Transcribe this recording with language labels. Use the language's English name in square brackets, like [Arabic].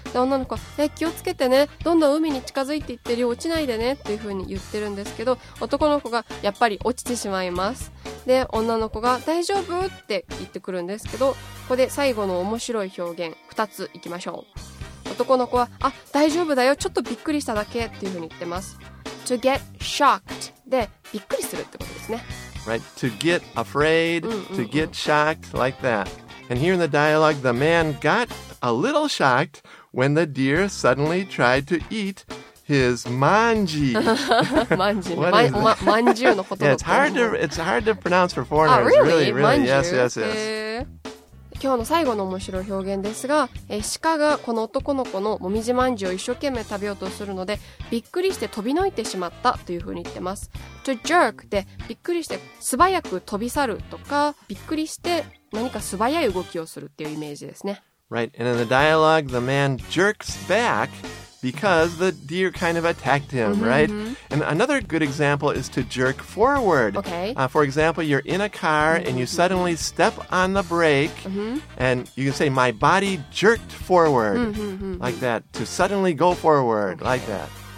[Japanese] で、女の子は、気をつけてね、どんどん海に近づいていってるよ、落ちないでねっていう風に言ってるんですけど、男の子がやっぱり落ちてしまいます。で、女の子が大丈夫って言ってくるんですけど、ここで最後の面白い表現、二ついきましょう。男の子は、あ、大丈夫だよ、ちょっとびっくりしただけっていう風に言ってます。 [English] To get shocked [Japanese] でびっくりするってことですね。 [English] Right, to get afraid, to get shocked, like that. And here in the dialogue, the man got a little shocked when the deer suddenly tried to eat his manji. [Japanese] Manji, manji のこと。 [English] Yeah, it's hard to pronounce for foreigners. Really, really, really. Yes, yes, yes. [Japanese] 今日の最後の面白い表現ですが、鹿がこの男の子のもみじまんじゅうを一生懸命食べようとするので、びっくりして飛びのいてしまったというふうに言ってます。 [English] To jerk [Japanese] でびっくりして素早く飛び去るとか、びっくりして何か素早い動きをするっていうイメージですね。 [English] Right, and in the dialogue, the man jerks back because the deer kind of attacked him, right? And another good example is to jerk forward. Okay. For example, you're in a car and you suddenly step on the brake and you can say, my body jerked forward, like that, to suddenly go forward, like that.